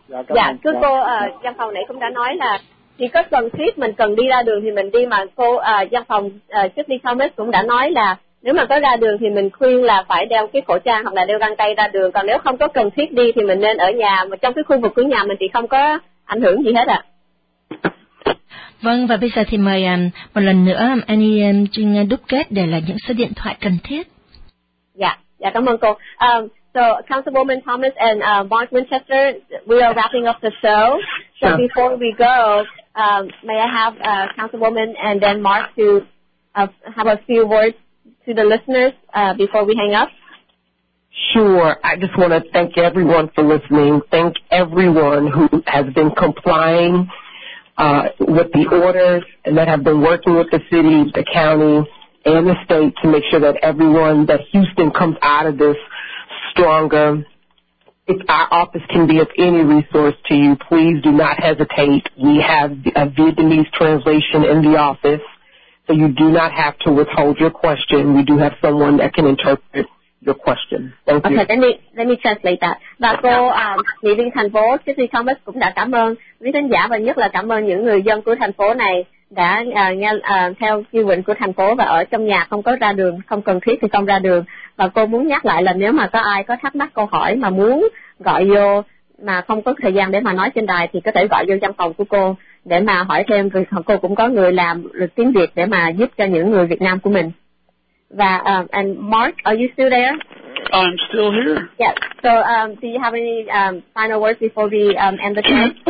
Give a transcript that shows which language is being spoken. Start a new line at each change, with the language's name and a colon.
Vietnamese: Dạ cứ cô văn phòng nãy cũng đã nói là chỉ có cần thiết mình cần đi ra đường thì mình đi, mà cô văn phòng trước đi sau mết cũng đã nói là nếu mà có ra đường thì mình khuyên là phải đeo cái khẩu trang hoặc là đeo găng tay ra đường, còn nếu không có cần thiết đi thì mình nên ở nhà, mà trong cái khu vực của nhà mình thì không có ảnh hưởng gì hết ạ. Vâng, và bây giờ thì mời một lần nữa Annie Trinh đúc kết để là những số điện thoại cần thiết. Dạ cảm ơn cô.
English: So Councilwoman Thomas and Mark Winchester, we are wrapping up the show. So before we go, may I have Councilwoman and then Mark to have a few words to the listeners before we hang up? Sure. I just want to thank everyone for listening. Thank everyone who has been complying with the orders and that have been working with the city, the county, and the state to make sure that everyone, that Houston comes out of this stronger. If our office can be of any resource to you, please do not hesitate. We have a Vietnamese translation in the office, so you do not have to withhold your question. We do have someone that can interpret your question. Thank you. Okay, let me translate that.
Vietnamese: Và cô nghị viên thành phố Sydney Thomas cũng đã cảm ơn quý khán giả và nhất là cảm ơn những người dân của thành phố này đã nghe theo quy định của thành phố và ở trong nhà, không có ra đường, không cần thiết thì không ra đường. Và cô muốn nhắc lại là nếu mà có ai có thắc mắc câu hỏi mà muốn gọi vô mà không có thời gian để mà nói trên đài thì có thể gọi vô văn phòng của cô để mà hỏi thêm, vì cô cũng có người làm lịch tiếng Việt để mà giúp cho những người Việt Nam của mình.
English: Và and Mark, are you still there? I'm still here. Yes. So do you have any final words before we end the show?